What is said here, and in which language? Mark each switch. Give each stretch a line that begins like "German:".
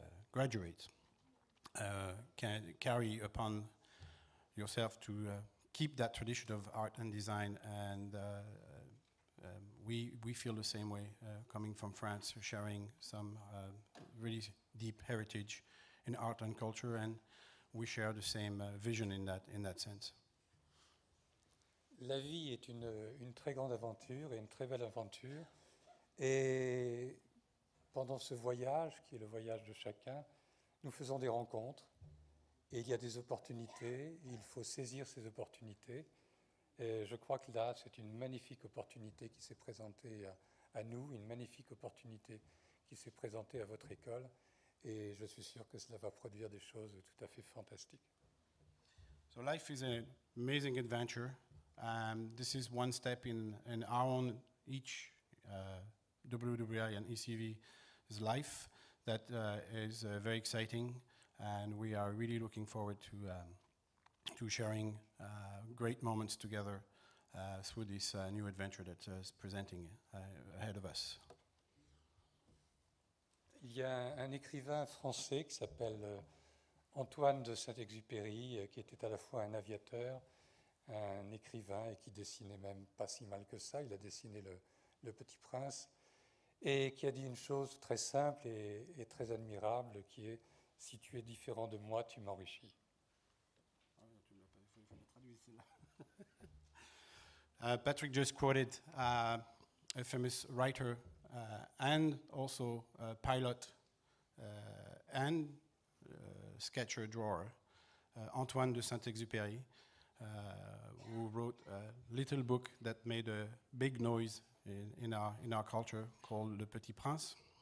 English: graduates, can carry upon yourself to keep that tradition of art and design, and we feel the same way coming from France, sharing some really deep heritage in art and culture, and we share the same vision in that sense.
French: La vie est une très grande aventure et une très belle aventure, et pendant ce voyage qui est le voyage de chacun, nous faisons des rencontres et il y a des opportunités. Il faut saisir ces opportunités. Et je crois que là, c'est une magnifique opportunité qui s'est présentée à nous, une magnifique opportunité qui s'est présentée à votre école. Et je suis sûr que cela va produire des choses tout à fait fantastiques.
English: So life is an amazing adventure. This is one step in our own, each WWI and ECV's life. That is very exciting, and we are really looking forward to sharing great moments together through this new adventure that is presenting ahead of us.
French: Il y a un écrivain français qui s'appelle Antoine de Saint-Exupéry, qui était à la fois un aviateur, un écrivain, et qui dessinait même pas si mal que ça. Il a dessiné le Petit Prince. Et qui a dit une chose très simple et très admirable, qui est « Si tu es différent de moi, tu m'enrichis ».
English: Patrick just quoted a famous writer and also a pilot and sketcher drawer, Antoine de Saint-Exupéry, who wrote a little book that made a big noise in our culture called Le Petit Prince.